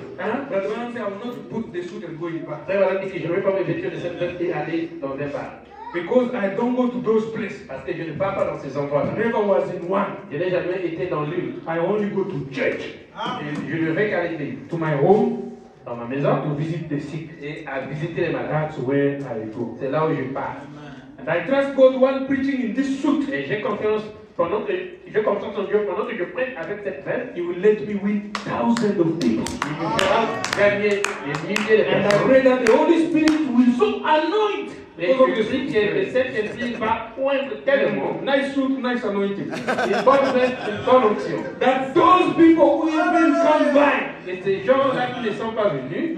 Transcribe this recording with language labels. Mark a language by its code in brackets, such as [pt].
[en] But when I say I will not put the suit and go in bar. [fr] Je ne vais pas me vêtir de cette veste et aller dans un bar. [en] Because I don't go to those places. [fr] Parce que je ne vais pas dans ces endroits. [en] Never was in one. [fr] Je n'ai jamais été dans l'une. [en] I only go to church. [fr] Et je ne vais qu'à l'église. [en] To my home. [fr] Dans ma maison. [en] To visit the sick. [fr] Et à visiter les malades. [en] That's where I go. [fr] C'est là où je pars. [en] And I trust God while preaching in this suit. [fr] Et j'ai confiance. Je confie en Dieu pendant que je prie avec cette veste. [en] He will let me win thousands of people. [fr] Il me fera gagner des milliers de personnes. [en] And I pray that the Holy Spirit will so anoint. [fr] Mais je dis que le Saint-Esprit va poindre tellement. [en] Nice suit, nice anointing. [fr] Une bonne veste, une bonne option. [en] That those people who even come by. [fr] Et ces gens-là qui ne sont pas venus.